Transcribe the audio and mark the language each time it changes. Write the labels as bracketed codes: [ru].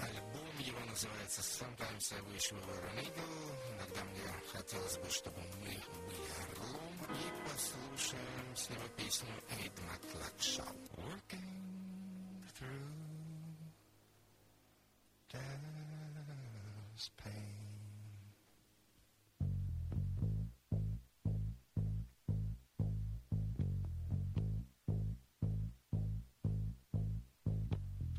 [en] Sometimes I wish we were an eagle. [ru] Иногда мне хотелось бы, чтобы мы были орлом. И послушаем с него песню Eight MacLeod Show. [en] Working through death's pain.